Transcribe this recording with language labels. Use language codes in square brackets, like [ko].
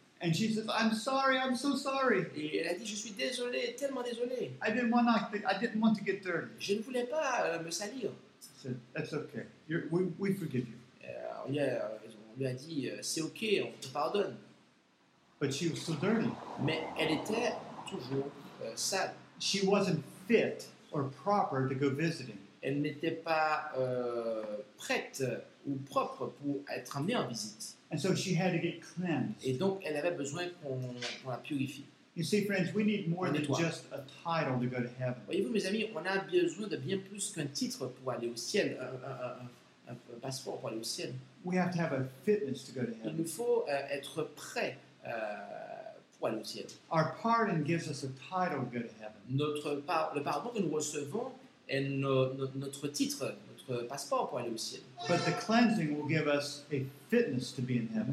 [en] And she says, "I'm sorry, I'm so sorry." [fr] Et elle a dit, "Je suis désolée, tellement désolée." [en] I didn't want to get dirty. [fr] Je ne voulais pas me salir. [en] I said, "That's okay. We forgive you." [fr] On lui a dit, "C'est okay, on te pardonne." [en] But she was still dirty. [fr] Mais elle était toujours sale. [en] She wasn't fit or proper to go visiting. [fr] Elle n'était pas prête ou propre pour être amenée en visite. [en] And so she had to get cleansed. [fr] Et donc elle avait besoin qu'on la purifie. [en] You see, friends, we need more than just a title to go to heaven. [fr] Voyez-vous, mes amis, on a besoin de bien plus qu'un titre pour aller au ciel, un passeport pour aller au ciel. [en] We have to have a fitness to go to heaven. [fr] Il nous faut être prêt pour aller au ciel. [en] Our pardon gives us a title to go to heaven. [fr] Le pardon que nous recevons est notre titre. Passeport pour aller au ciel. [en] But the cleansing will give us a fitness to be in heaven.